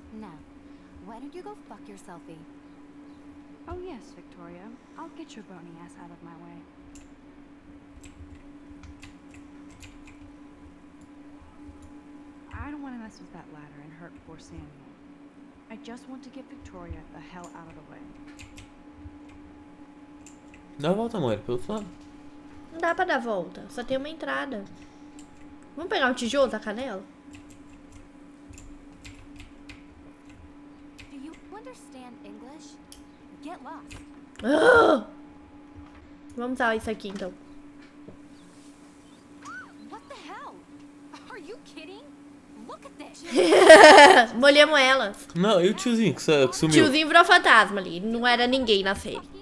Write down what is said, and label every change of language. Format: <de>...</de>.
<en>Now, why don't you go fuck your selfie? Oh yes, Victoria. I'll get your bony ass out of my way. mess with that ladder and hurt poor Samuel. I just want to get Victoria the hell out of the way.</en> <pt>Dá a volta, amor, pelo fone. Não dá pra dar a volta, só tem uma entrada. Vamos pegar um tijolo da canela?</pt> <en>Do you understand English? Get lost.</en> <pt>Vamos usar isso aqui então.</pt> <en>What the hell? Are you kidding? Look at this.</en> <pt>Molhamos elas. Não, e o tiozinho que sumiu? O tiozinho virou fantasma ali, não era ninguém na série.</pt>